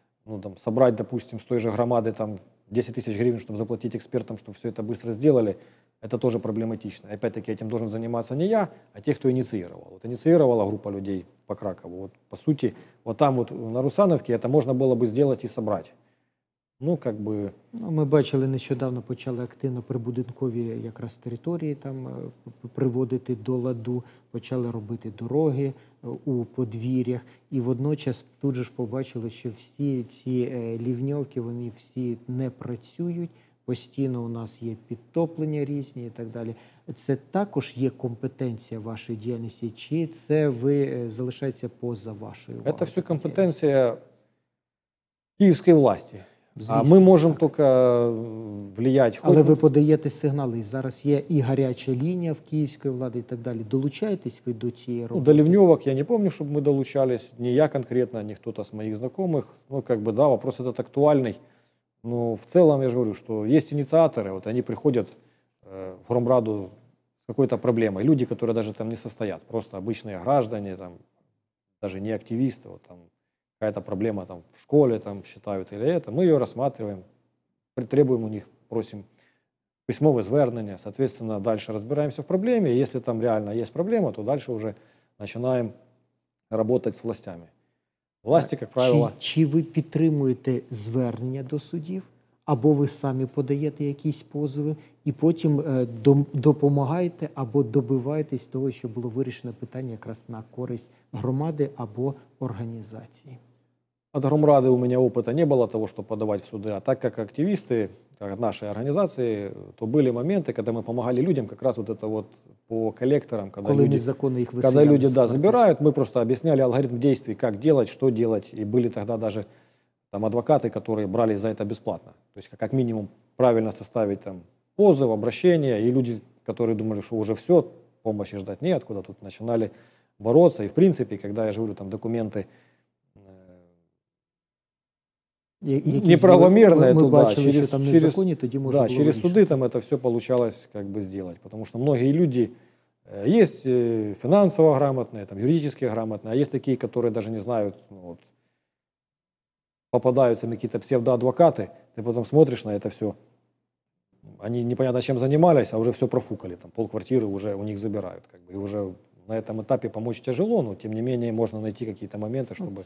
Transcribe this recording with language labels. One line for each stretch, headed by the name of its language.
Russian: ну, там, собрать, допустим, с той же громады там, 10 тысяч гривен, чтобы заплатить экспертам, чтобы все это быстро сделали, это тоже проблематично. И опять-таки этим должен заниматься не я, а те, кто инициировал. Вот инициировала группа людей по Кракову. Вот, по сути, вот там вот на Русановке это можно было бы сделать и собрать.
Ukrainian: Ну, как би. Ну, ми бачили, нещодавно почали активно прибудинкові якраз території там приводити до ладу, почали робити дороги у подвір'ях. І водночас тут же ж побачили, що всі ці лівньовки, вони всі не працюють. Постійно у нас є підтоплення різні і так далі. Це також є компетенція вашої діяльності, чи це ви залишається поза вашою увагою? Це все компетенція київської власті. Звісно, а ми можемо тільки впливати. Але ви подаєте сигнали. Зараз є і гаряча лінія в київської влади і так далі. Долучаєтесь ви до цієї роботи? Ну, до лівньовок я не пам'ятаю, щоб ми долучались. Ні я конкретно, ні хто-то з моїх знайомих. Ну, як би,
Russian: да, вопрос этот актуальний.
Ukrainian: Ну, в цілому, я ж говорю, що є ініціатори, от вони приходять в громраду з якоюсь проблемою. Люди, які навіть там не состоять. Просто звичайні громадяни, там, навіть не активісти, от там.
Russian: Какая-то проблема там в школе, там считают или это, мы ее рассматриваем, требуем у них, просим письмовое звернення, соответственно, дальше разбираемся в проблеме, если там реально есть проблема, то дальше уже начинаем работать с властями. Власти, как правило...
Ukrainian: Чи ви підтримуєте звернення до судів, або ви самі подаєте якісь позови, і потім допомагаєте або добиваєтесь того, щоб було вирішено питання якраз на користь громади або організації? От громради у мене опиту не було того, щоб подавати в суди. А так як активісти нашої організації, то були моменти, коли ми допомагали людям, якраз от це от по колекторам, коли люди да, забирають, ми просто об'ясняли алгоритм дій, як робити, що робити. І були тоді навіть там адвокати, які брали за це безплатно. Тобто, як мінімум, правильно составити там позов, обращення. І люди, які думали, що вже все, допомоги чекати неоткуда, тут починали боротися. І в принципі, коли я ж говорю, там документи неправомірне туди, бачили, через, що там через, незаконні, тоді можна
Russian: да, через суди там це все получалось как бы сделать, потому что многие люди есть финансово грамотные, там юридически грамотные, а есть такие, которые даже не знают, ну, вот, попадаются на какие-то псевдоадвокаты, ты потом смотришь на это все, они непонятно чем занимались, а уже все профукали, там полквартиры уже у них забирают, как бы, и уже
Ukrainian: на цьому етапі допомогти тяжело, але, тим не менше, можна знайти якісь моменти, щоб...